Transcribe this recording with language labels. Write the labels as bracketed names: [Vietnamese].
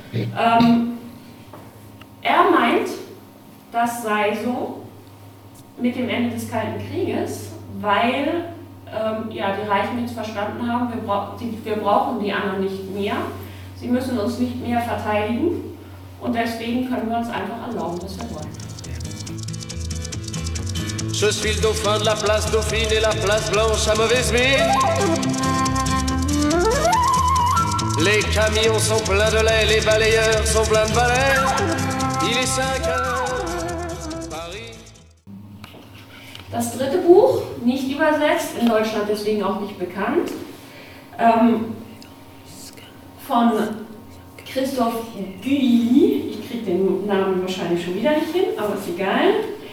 [German] Er meint, das sei so mit dem Ende des Kalten Krieges, weil die Reichen jetzt verstanden haben, wir brauchen die anderen nicht mehr, sie müssen uns nicht mehr verteidigen und deswegen können wir uns einfach erlauben, was wir wollen. [French] Je suis le dauphin de la place Dauphine et la place Blanche à mauvaise mine. Les camions sont pleins de lait, les balayeurs sont pleins de balais. Il est 5 heures, Paris. [German] Das dritte Buch, nicht übersetzt, in Deutschland deswegen auch nicht bekannt, von Christoph Guilly, ich kriege den Namen wahrscheinlich schon wieder nicht hin, aber ist egal.